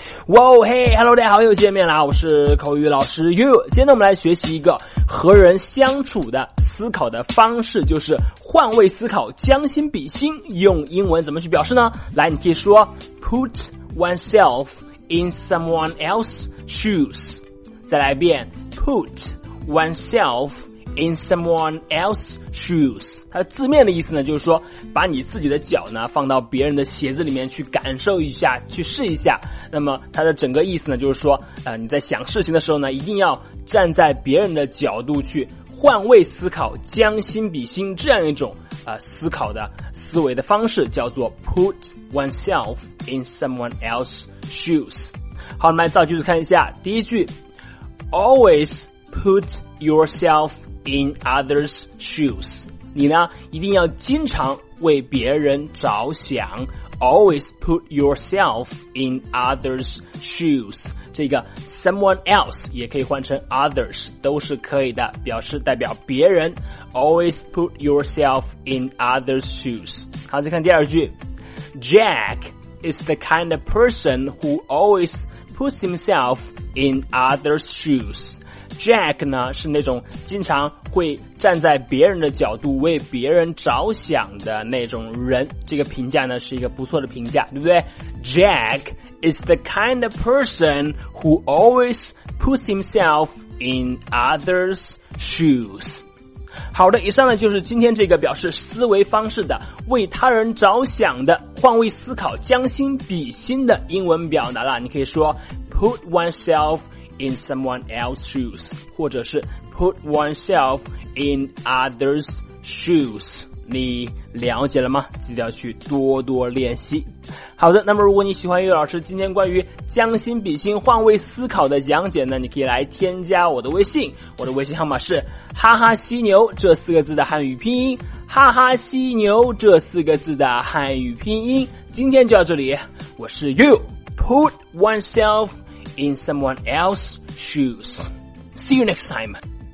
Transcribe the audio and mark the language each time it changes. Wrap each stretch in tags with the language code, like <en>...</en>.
<zh>哇哦，嘿哈喽，大家好，又见面了，我是口语老师 You。今天呢，我们来学习一个和人相处的思考的方式，就是换位思考，将心比心，用英文怎么去表示呢？来，你可以说</zh> <en>Put oneself in someone else's shoes。</en> <zh>再来一遍，</zh> <en>Put oneself in someone else's shoes。</en> <zh>它字面的意思呢，就是说把你自己的脚呢放到别人的鞋子里面去感受一下，去试一下。那么它的整个意思呢，就是说你在想事情的时候呢，一定要站在别人的角度去换位思考，将心比心，这样一种思考的思维的方式叫做</zh> <en>put oneself in someone else's shoes。</en> <zh>好，我们来造句子看一下。第一句，</zh> <en>always put yourself in others' shoes。</en> <zh>你呢一定要经常为别人着想，</zh> <en>always put yourself in others' shoes。</en> <zh>这个 someone else 也可以换成 others， 都是可以的，表示代表别人，</zh> <en>always put yourself in others' shoes。</en> <zh>好，再看第二句，</zh> <en>Jack is the kind of person who always puts himself in others' shoes。</en> <zh>Jack 呢是那种经常会站在别人的角度为别人着想的那种人，这个评价呢是一个不错的评价，对不对？</zh> <en>Jack is the kind of person who always puts himself in others' shoes。</en> <zh>好的，以上呢就是今天这个表示思维方式的为他人着想的换位思考将心比心的英文表达了。你可以说</zh> <en>put oneselfin someone else's shoes，</en> <zh>或者是</zh> <en>put oneself in others' shoes。</en> <zh>你了解了吗？记得要去多多练习。好的，那么如果你喜欢悠悠老师今天关于将心比心换位思考的讲解呢，你可以来添加我的微信，我的微信号码是哈哈犀牛这四个字的汉语拼音，哈哈犀牛这四个字的汉语拼音。今天就到这里，我是悠悠，</zh> <en>put oneselfin someone else's shoes. See you next time.</en>